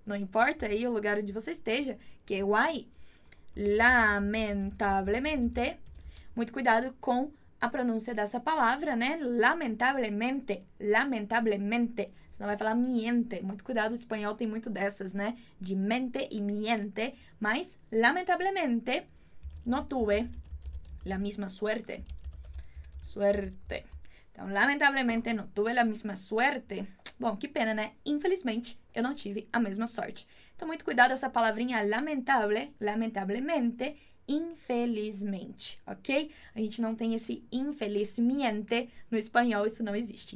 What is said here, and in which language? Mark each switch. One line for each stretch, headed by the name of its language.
Portuguese: Não importa aí o lugar onde você esteja.
Spanish: Que guay. Lamentablemente.
Portuguese: Muito cuidado com a pronúncia dessa palavra, né? Lamentablemente. Lamentablemente. Você não vai falar miente. Muito cuidado, o espanhol tem muito dessas, né? De mente e miente.
Spanish: Mas, lamentablemente, no tuve la misma suerte. Suerte.
Portuguese: Então, lamentablemente,
Spanish: não tuve la misma suerte.
Portuguese: Bom, que pena, né? Infelizmente, eu não tive a mesma sorte. Então, muito cuidado essa palavrinha lamentable, lamentablemente, infelizmente, ok? A gente não tem esse infelizmente no espanhol, isso não existe.